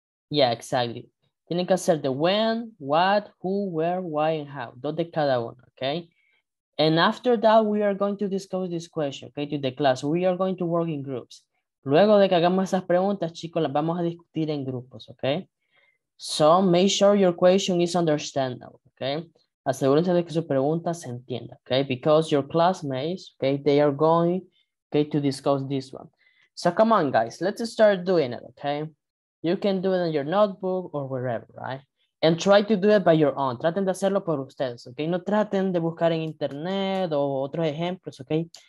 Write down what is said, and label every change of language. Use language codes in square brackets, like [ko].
[en] Yeah, exactly. [es] Tienen que hacer [en] the when, what, who, where, why, and how. [es] Dos de cada uno, okay? [en] And after that, we are going to discuss this question, okay, to the class. We are going to work in groups. [es] Luego de que hagamos esas preguntas, chicos, las vamos a discutir en grupos, okay? [en] So make sure your question is understandable, okay? [es] Asegúrense de que su pregunta se entienda, okay? [en] Because your classmates, okay, they are going, okay, to discuss this one. So come on, guys, let's start doing it, okay? You can do it in your notebook or wherever, right? And try to do it by your own. [es] Traten de hacerlo por ustedes, okay? No traten de buscar en internet o otros ejemplos, okay?